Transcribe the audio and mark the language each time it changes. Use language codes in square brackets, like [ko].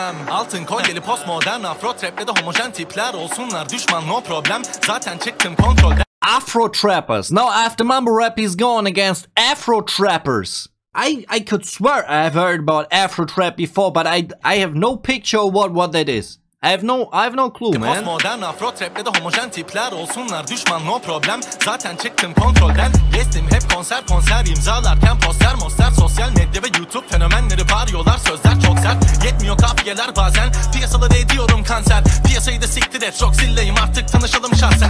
[tr] Altın kolyeli postmodern afro trap'le de homojen tipler olsunlar düşman [en] no problem [tr] zaten çıktım kontrolden. [en] Afro trappers. Now after mumble rap is going against afro trappers. I could swear I have heard about afro trap before, but I have no picture of what that is. I have no clue, man. [tr] Postmodern afro trap'le de homojen tipler olsunlar düşman [en] no problem [tr] zaten çıktım kontrolden. Geçtim hep konser imzalarken poster monster sosyal medya ve YouTube fenomenleri bağırıyorlar sözler çok sert. Yetmiyor kafiyeler bazen piyasaları ediyorum kanser. Piyasayı da siktir et çok zilleyim artık tanışalım şahsen.